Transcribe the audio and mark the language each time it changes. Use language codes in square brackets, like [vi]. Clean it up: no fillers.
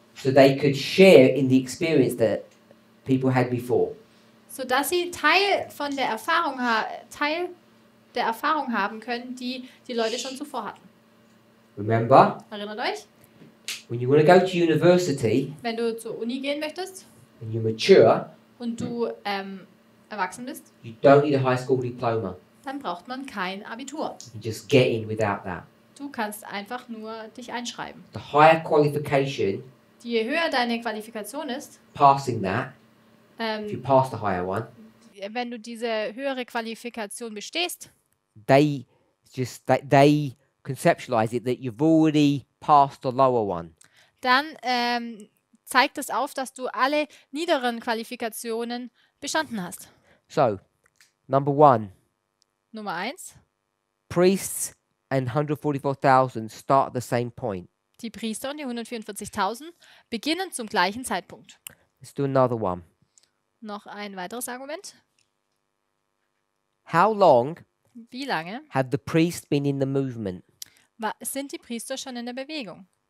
[en] so they could share in the experience that people had before. [de] So dass sie Teil der Erfahrung haben können, die die Leute schon zuvor hatten. [en] Remember? [de] Erinnert euch? [en] When you want to go to university, [de] wenn du zur Uni gehen möchtest, [en] and you mature, [de] und du erwachsen bist, [en] you don't need a high school diploma. [de] Dann braucht man kein Abitur. [en] You just get in without that. [de] Du kannst einfach nur dich einschreiben. [en] The higher qualification, [de] je höher deine Qualifikation ist, [en] passing that, if you pass the higher one, [de] wenn du diese höhere Qualifikation bestehst, [en] they conceptualize it that you've already passed the lower one. [de] Dann zeigt es auf, dass du alle niederen Qualifikationen bestanden hast. [en] So, number one. [de] Nummer eins. [en] Priests and 144,000 start at the same point. [de] Die Priester und die 144,000 beginnen zum gleichen Zeitpunkt. [en] Let's do another one. [de] Noch ein weiteres Argument. [en] How long? [de] Wie lange? [en] Have the priests been in the movement? [de] Sind die Priester schon in der Bewegung?